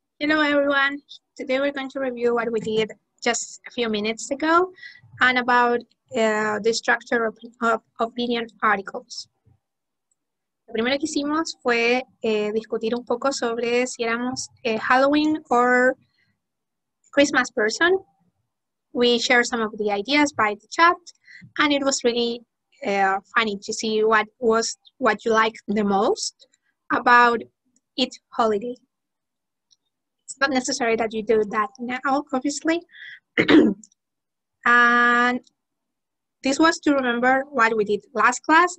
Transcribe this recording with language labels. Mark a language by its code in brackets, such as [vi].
[en] Hello everyone, today we're going to review what we did just a few minutes ago and about the structure of opinion articles. [es] Lo primero que hicimos fue discutir un poco sobre si éramos [en] Halloween or Christmas person. We shared some of the ideas by the chat and it was really funny to see what you liked the most about each holiday. It's not necessary that you do that now, obviously. And this was to remember what we did last class.